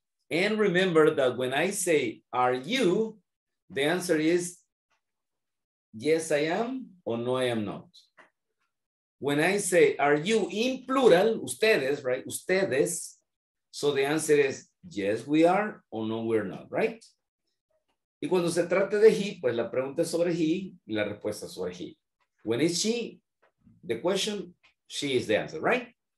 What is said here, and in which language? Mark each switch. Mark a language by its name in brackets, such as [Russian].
[English] And remember that when I say, are you, the answer is yes, I am, or no, I am not. When I say, are you in plural, ustedes, right? Ustedes. So the answer is yes, we are, or no, we're not, right? [Spanish] Y cuando se trate de he, pues la pregunta es sobre he, y la respuesta es sobre he. [English] When it's she, the question, she is the answer, right?